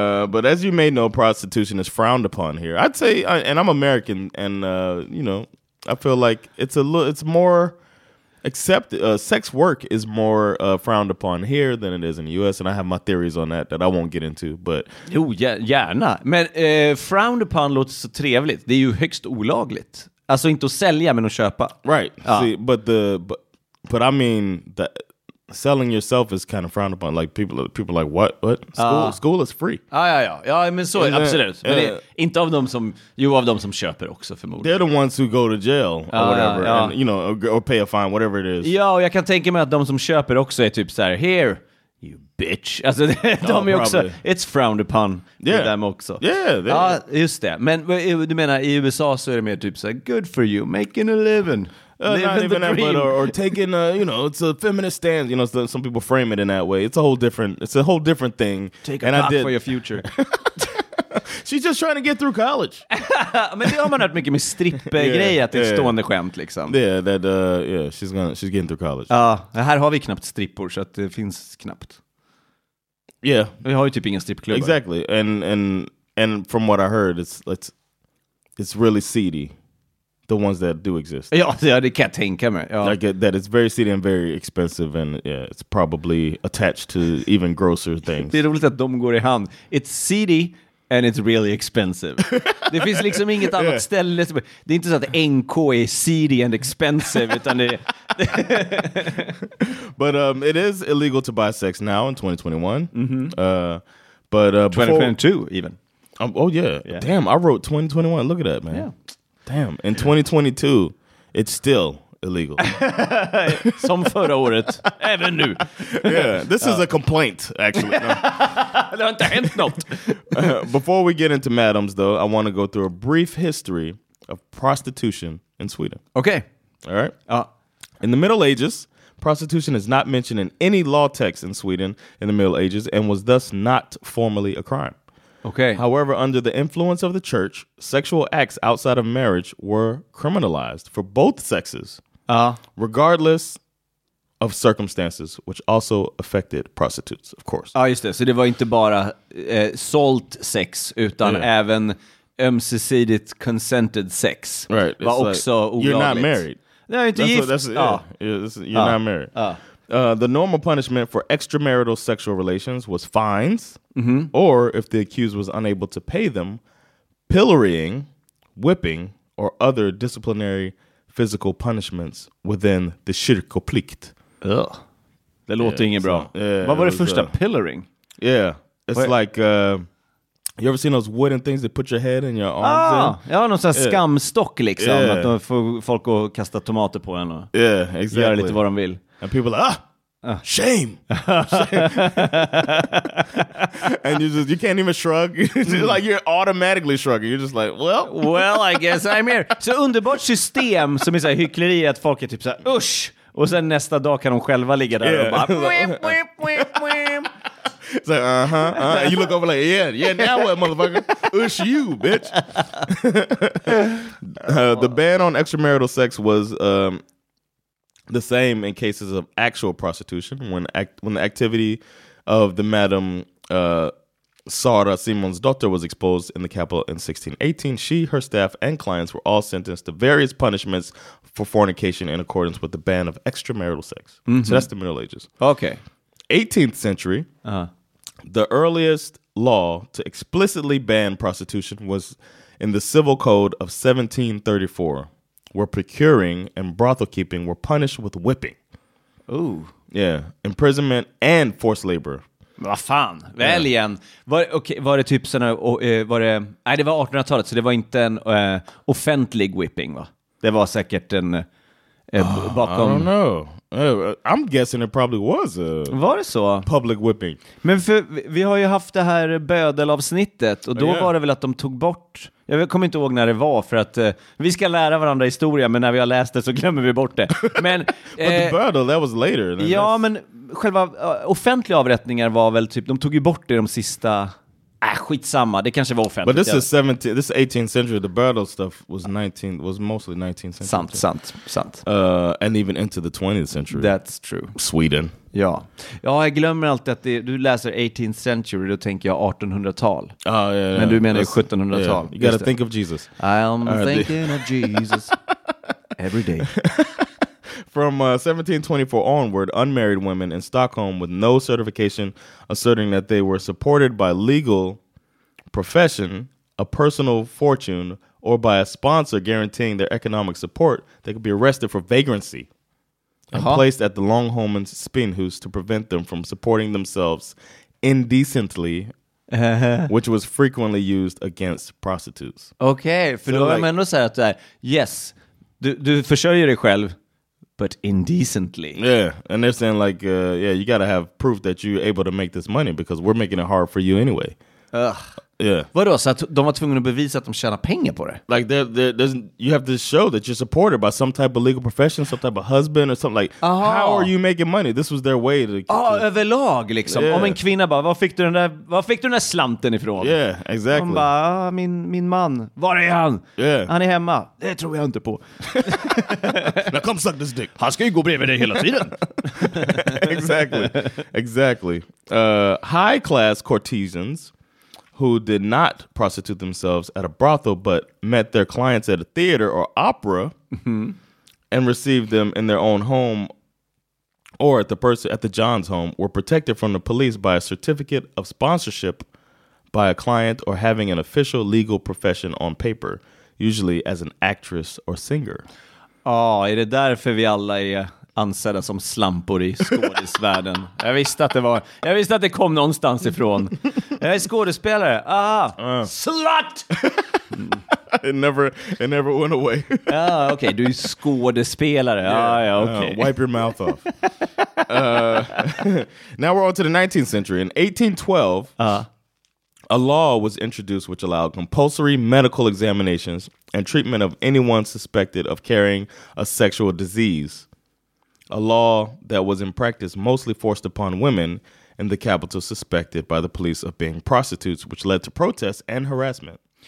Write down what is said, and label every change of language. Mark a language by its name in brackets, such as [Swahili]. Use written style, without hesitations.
[English] But as you may know, prostitution is frowned upon here. I'd say, and I'm American, and, you know, I feel like it's more accepted. Sex work is more frowned upon here than it is in the U.S., and I have my theories on that I won't get into. But [Swedish] jo, gärna. Men [English] frowned upon [Swedish] låter så trevligt. Det är ju högst olagligt. Alltså inte att sälja, men att köpa. [English] Right. [Swedish] Ja. [English] See, but I mean, that, selling yourself is kind of frowned upon. Like people are like, what? School is free. [Swedish] Ja, men så är det absolut. Men det, inte av dem som, jo, av dem som köper också förmodligen. [English] They're the ones who go to jail or whatever, and you know, or pay a fine, whatever it is. [Swedish] Ja, och jag kan tänka mig att de som köper också är typ så här, [English] here, you bitch. [Swedish] Alltså de är också, [English] it's frowned upon with them [Swedish] också. [English] Yeah, [Swedish] just det. Men du menar, i USA så är det mer typ så här, [English] good for you, making a living. Or taking a, you know, it's a feminist stance. You know, so some people frame it in that way. It's a whole different thing. Take a knock for your future. She's just trying to get through college. [Swedish] Men det har man hört mycket med strippgrejer, att det är stående skämt liksom. [English] She's getting through college. [Swedish] Här har vi knappt strippor, så att det finns knappt. [English] Yeah. [Swedish] Vi har ju typ ingen strippklubb. [English] Exactly. And from what I heard, it's really seedy. The ones that do exist. [Swedish] Ja, det kan jag tänka mig. Ja. [English] Like that it's very seedy and very expensive and it's probably attached to even grosser things. [Swedish] Det är roligt att de går i hand. [English] It's seedy and it's really expensive. [Swedish] Det finns liksom inget annat ställe. Det är inte så att NK är [English] seedy and expensive, [Swedish] utan det är... [English] But it is illegal to buy sex now in 2021. Mm-hmm. But 2022 before... even. Damn, I wrote 2021. Look at that, man. Yeah. Damn, in 2022, it's still illegal. [Swedish] Som förra året, även nu. [English] This is a complaint, actually. [Swedish] Det har inte hänt något. [English] Before we get into madams, though, I want to go through a brief history of prostitution in Sweden. Okay. All right. In the Middle Ages, prostitution is not mentioned in any law text in Sweden in the Middle Ages and was thus not formally a crime. Okay. However, under the influence of the church, sexual acts outside of marriage were criminalized for both sexes, regardless of circumstances, which also affected prostitutes, of course. [Swedish] Ja, just det. Så det var inte bara sålt sex, utan även ömsesidigt consented sex. [English] Right. [Swedish] Var it's också like, olagligt. [English] You're not married. [Swedish] Nej, inte gift. [English] You're not married. The normal punishment for extramarital sexual relations was fines, mm-hmm. or if the accused was unable to pay them, pillorying, whipping, or other disciplinary physical punishments within the kyrkoplikt. [Swedish] Ugh. Det låter inget bra. Vad var det första? Pillorying? [English] Yeah. It's like, you ever seen those wooden things that put your head and your arms in? [Swedish] Ja, någon sån skamstock liksom. [English] Yeah. [Swedish] Att de får folk att kasta tomater på en och göra lite vad de vill. [English] And people are like, shame. And you can't even shrug. Like, you're automatically shrugging. You're just like, well. Well, I guess I'm here. [Swedish] Så underbart system som är så här hyckleri, att folk är typ så här, usch. Och sen nästa dag kan de själva ligga där och bara, wimp, wimp, wimp, wimp. [English] It's like, and you look over like, now what, motherfucker? Ush you, bitch. The ban on extramarital sex was... the same in cases of actual prostitution, when the activity of the madam Sara Simon's daughter was exposed in the capital in 1618, she, her staff, and clients were all sentenced to various punishments for fornication in accordance with the ban of extramarital sex. Mm-hmm. So that's the Middle Ages. Okay. 18th century, the earliest law to explicitly ban prostitution was in the Civil Code of 1734. Were procuring and brothel keeping were punished with whipping. Ooh. Yeah. Imprisonment and forced labor. [Swedish] Va fan. Väl igen. Var det typ såna, nej, det var 1800-talet, så det var inte en offentlig whipping, va? Det var säkert en bakom... [English] I don't know. I'm guessing it probably was a... [Swedish] Var det så? [English] Public whipping. [Swedish] Men vi har ju haft det här bödelavsnittet, och då var det väl att de tog bort... Jag kommer inte ihåg när det var, för att vi ska lära varandra historia, men när vi har läst det så glömmer vi bort det. Men [English] but the bödel, that was later. [Swedish] Ja, men själva offentliga avrättningar var väl typ, de tog ju bort det de sista... skitsamma, det kanske var offentligt. [English] But this is 17th, this 18th century, the bödel stuff was 19th, was mostly 19th century. [Swedish] Sant. [English] And even into the 20th century. That's true. Sweden. [Swedish] Ja. Ja, jag glömmer alltid att du läser [English] 18th century, [Swedish] då tänker jag 1800-tal. Men du menar 1700-tal. [English] You gotta think of Jesus. I'm thinking of Jesus every day. From 1724 onward, unmarried women in Stockholm with no certification asserting that they were supported by legal profession, a personal fortune, or by a sponsor guaranteeing their economic support, they could be arrested for vagrancy. and placed at the Longhorn's spin hoose to prevent them from supporting themselves indecently, which was frequently used against prostitutes. [Swedish] Okay, för so då like, man ändå säga att det yes, du försörjer dig själv, [English] but indecently. Yeah, and they're saying like, yeah, you gotta have proof that you're able to make this money because we're making it hard for you anyway. Ugh. Yeah. [Swedish] Vadå, så att de var tvungna att bevisa att de tjänar pengar på det? [English] Like, you have to show that you're supported by some type of legal profession, some type of husband or something. Like, how are you making money? This was their way to... [Swedish] Överlag, liksom. [English] Yeah. [Swedish] Om en kvinna bara, var fick du den där slanten ifrån? [English] Yeah, exactly. [Swedish] Hon bara, min man, var är han? [English] Yeah. [Swedish] Han är hemma. Det tror jag inte på. [English] Now, come suck this dick. [Swedish] Han ska ju gå bredvid dig hela tiden. [English] Exactly. High-class courtesans who did not prostitute themselves at a brothel but met their clients at a theater or opera and received them in their own home or at the person at the John's home were protected from the police by a certificate of sponsorship by a client or having an official legal profession on paper, usually as an actress or singer. [Swedish] Oh, är det därför vi alla är ansedda som slampor i skådisvärlden? Jag visste att det kom någonstans ifrån. Jag är skådespelare. Slut! [English] It never went away. [Swedish] Okej, du är skådespelare. [English] Wipe your mouth off. Now we're on to the 19th century. In 1812, a law was introduced which allowed compulsory medical examinations and treatment of anyone suspected of carrying a sexual disease. A law that was in practice mostly forced upon women in the capital suspected by the police of being prostitutes, which led to protests and harassment.